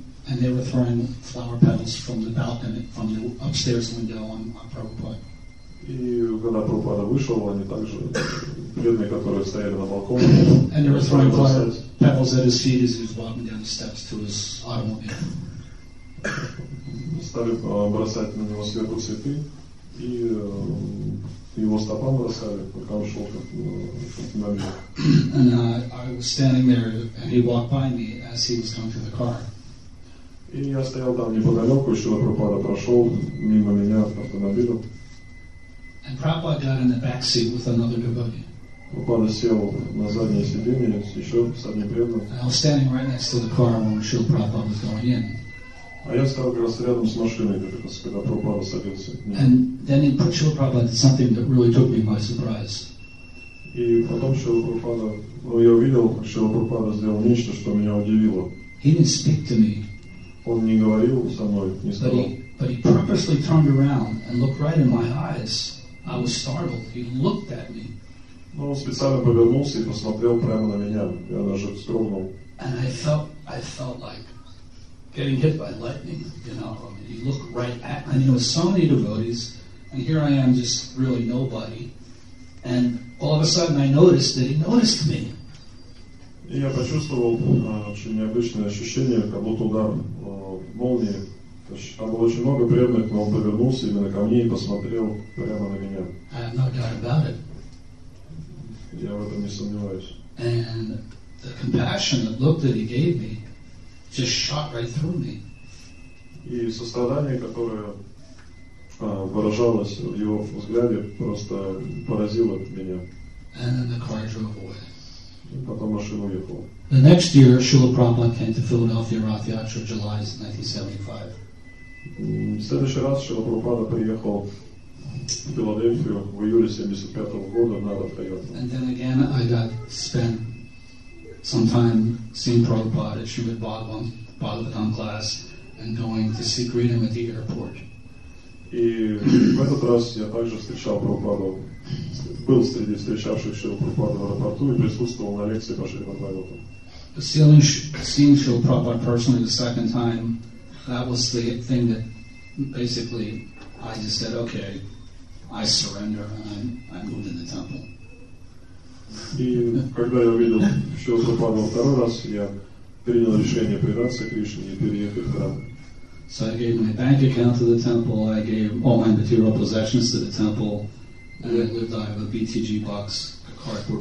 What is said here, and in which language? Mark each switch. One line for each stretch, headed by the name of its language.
English: And they were throwing flower petals from the balcony, from the upstairs window on Prabhupada.
Russian: И когда Прабхупада вышел, они также, преданные, которые стояли на балконе,
English: and they were throwing flower petals at his feet as he was walking down the steps to his automobile.
Russian: Стали бросать на него сверху цветы. И его стопам бросали, пока он шел как наверх.
English: And I was standing there, and he walked by me as he was coming to the car.
Russian: И я стоял там неподалеку, еще на Прабхупада прошел мимо меня в автомобиле.
English: And Prabhupada got in the back seat with another devotee.
Russian: Прабхупада сел на заднее сиденье еще с одним преданным.
English: I was standing right next to the car when Шрила Прабхупада was going in.
Russian: А я стал как раз рядом с машиной, как раз, когда Прабхупада садился.
English: And then Шрила Прабхупада did something that really took me by surprise.
Russian: И потом Шрила Прабхупада, ну я увидел, как Шрила Прабхупада сделал нечто, что меня удивило.
English: He didn't speak to me.
Russian: Он не говорил со мной, не сказал.
English: But he purposely turned around and looked right in my eyes. I was startled. He looked at me.
Russian: Но он специально повернулся и посмотрел прямо на меня. Я даже вздрогнул.
English: And I felt like getting hit by lightning, you know. I mean, he looked right at me. I mean, there were so many devotees, and here I am, just really nobody. And all of a sudden, I noticed that he noticed me.
Russian: И я почувствовал очень необычное ощущение, как будто удар молнии. Там было очень много преданных, но он повернулся именно ко мне и посмотрел прямо на меня.
English: I have no doubt about it.
Russian: Я в этом не сомневаюсь.
English: And the compassion, the look that he gave me, just shot right through me.
Russian: И сострадание, которое выражалось в его взгляде, просто поразило меня.
English: And then the car drove away.
Russian: И потом машина уехала.
English: The next year, Srila Prabhupada came to Philadelphia Rath Yatra, July 1975.
Russian: В следующий раз Шрила Прабхупада приехал в Филадельфию в июле 75 года на Рат Хайотру.
English: And then again I got to spend some time seeing Prabhupada at Srimad Bhagavatam class and going to see greet him at the airport.
Russian: И в этот раз я также встречал Прабхупаду, был среди встречавших Шрила Прабхупаду в аэропорту и присутствовал на лекции по Шрила Прабхупаду.
English: Seeing Шрила Прабхупада personally the second time, that was the thing that basically I just said, okay, I surrender, and I moved in the temple.
Russian: И когда я увидел Шрилу Прабхупаду второй раз, я принял решение предаться Кришне и переехать в храм.
English: So I gave my bank account to the temple, I gave all my material possessions to the temple, and I lived out of a BTG box, a cardboard box.